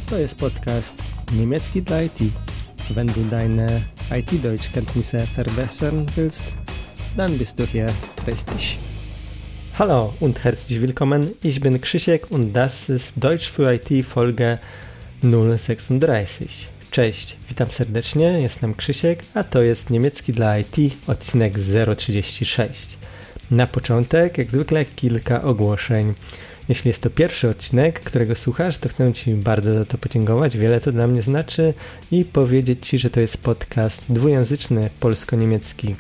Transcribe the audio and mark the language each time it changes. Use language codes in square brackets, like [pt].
[pl] To jest podcast Niemiecki dla IT. [de] Wenn du deine IT-Deutschkenntnisse verbessern willst, dann bist du hier richtig. Hallo und herzlich willkommen. Ich bin Krzysiek und das ist Deutsch für IT Folge 036. [pl] Cześć, witam serdecznie, jestem Krzysiek, a to jest Niemiecki dla IT odcinek 036. Na początek, jak zwykle, kilka ogłoszeń. Jeśli jest to pierwszy odcinek, którego słuchasz, to chcę Ci bardzo za to podziękować, wiele to dla mnie znaczy i powiedzieć Ci, że to jest podcast dwujęzyczny, polsko-niemiecki.